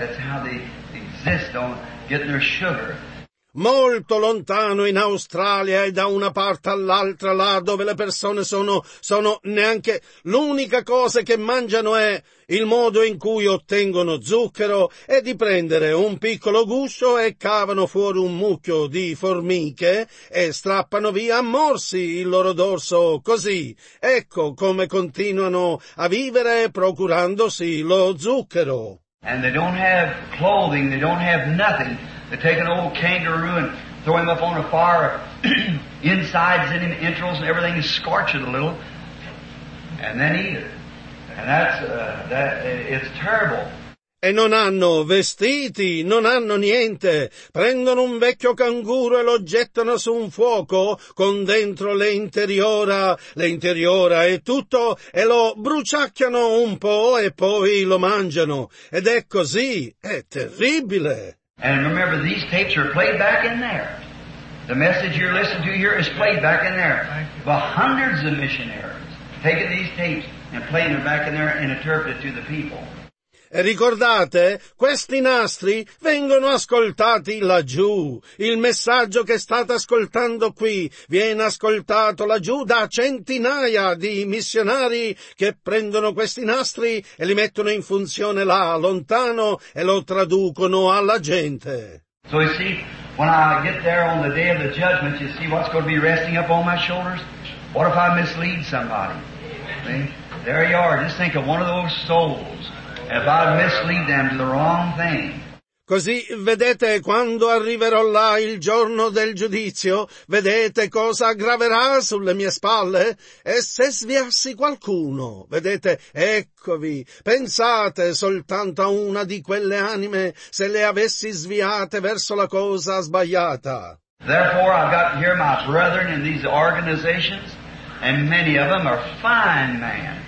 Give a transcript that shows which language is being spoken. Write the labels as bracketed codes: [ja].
[en] That's how they exist on getting their sugar. [it] Molto lontano in Australia e da una parte all'altra là dove le persone sono neanche, l'unica cosa che mangiano è il modo in cui ottengono zucchero e di prendere un piccolo guscio e cavano fuori un mucchio di formiche e strappano via a morsi il loro dorso così. Ecco come continuano a vivere procurandosi lo zucchero. [en] And they don't have clothing, they don't have nothing. They take an old kangaroo and throw him up on a fire, insides in him, entrails and everything, and scorch it a little, and then eat it. And it's terrible. [it] E non hanno vestiti, non hanno niente. Prendono un vecchio canguro e lo gettano su un fuoco con dentro l'interiora e tutto, e lo bruciacchiano un po' e poi lo mangiano. Ed è così, è terribile. [en] And remember, these tapes are played back in there. The message you're listening to here is played back in there. But hundreds of missionaries taking these tapes and playing them back in there and interpreting to the people. [it] E ricordate, questi nastri vengono ascoltati laggiù. Il messaggio che state ascoltando qui viene ascoltato laggiù da centinaia di missionari che prendono questi nastri e li mettono in funzione là, lontano, e lo traducono alla gente. [en] So you see, when I get there on the day of the judgment, you see what's going to be resting up on my shoulders? What if I mislead somebody? There you are, just think of one of those souls. If I mislead them to the wrong thing. [it] Così, vedete, quando arriverò là il giorno del giudizio, vedete cosa graverà sulle mie spalle? E se sviassi qualcuno, vedete, eccovi, pensate soltanto a una di quelle anime, se le avessi sviate verso la cosa sbagliata. [en] Therefore I've got here my brethren in these organizations, and many of them are fine men.